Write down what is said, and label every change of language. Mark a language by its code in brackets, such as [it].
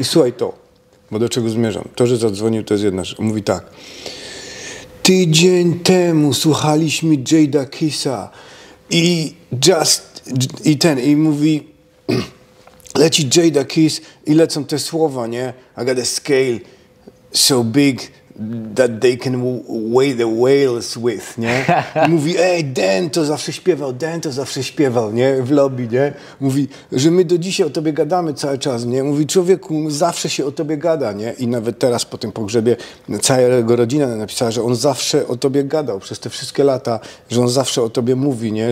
[pl] I słuchaj to, bo do czego zmierzam? To, że zadzwonił, to jest jedna rzecz. Mówi tak: "Tydzień temu słuchaliśmy Jada Kissa i just, i ten, i mówi, leci Jada Kiss i lecą te słowa, nie? [en] I got a scale so big that they can weigh the whales with, nie?" [pl] I mówi: "Ej, Dan to zawsze śpiewał, Dan to zawsze śpiewał, nie? W lobby, nie?" Mówi, że my do dzisiaj o tobie gadamy cały czas, nie? Mówi, człowieku, zawsze się o tobie gada, nie? I nawet teraz po tym pogrzebie cała jego rodzina napisała, że on zawsze o tobie gadał przez te wszystkie lata, że on zawsze o tobie mówi, nie?